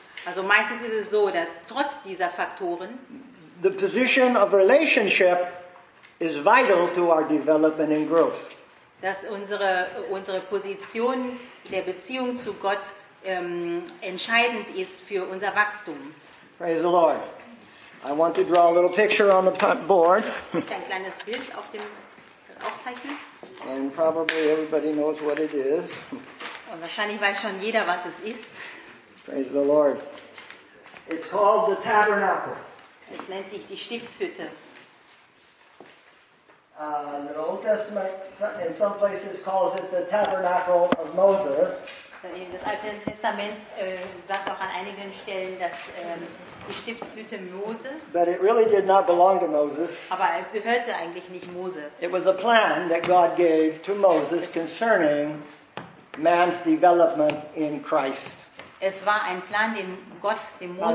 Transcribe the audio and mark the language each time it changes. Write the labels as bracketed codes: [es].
[de] Also meistens ist es so, dass trotz dieser Faktoren [en] the position of relationship is vital to our development and growth. [de] Dass unsere Position der Beziehung zu Gott entscheidend ist für unser Wachstum. [en] Praise the Lord. I want to draw a little picture on the board. [de] Ein kleines Bild auf dem Aufzeichnen. [en] And probably everybody knows what it is. [de] Und wahrscheinlich weiß schon jeder, was es ist. [en] Praise the Lord. It's called the Tabernacle. [de] Es nennt sich die Stiftshütte. [en] The Old Testament in some places calls it the Tabernacle of Moses. [de] Das Alte Testament sagt auch an einigen Stellen, dass die Stiftshütte Mose. [en] But it really did not belong to Moses. [de] Aber es gehörte eigentlich nicht Mose. [en] It was a plan that God gave to Moses concerning man's development in Christ. [de] Es war ein Plan, den Gott dem Mose